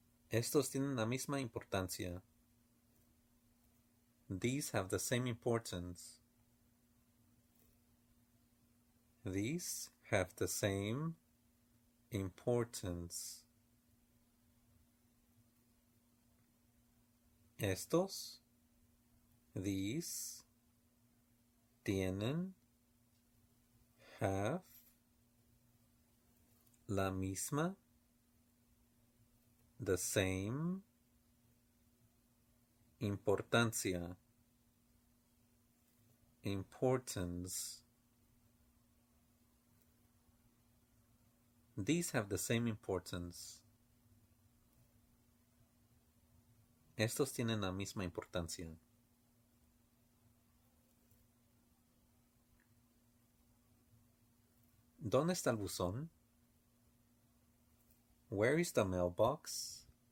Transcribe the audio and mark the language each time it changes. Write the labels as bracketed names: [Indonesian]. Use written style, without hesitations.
[Spanish] Estos tienen la misma importancia. [English] These have the same importance. These have the same importance. [Spanish] Estos, [English] these, [Spanish] tienen, [English] have, [Spanish] la misma, [English] the same, [Spanish] importancia, [English] importance. These have the same importance. [Spanish] Estos tienen la misma importancia. ¿Dónde está el buzón? [English] Where is the mailbox?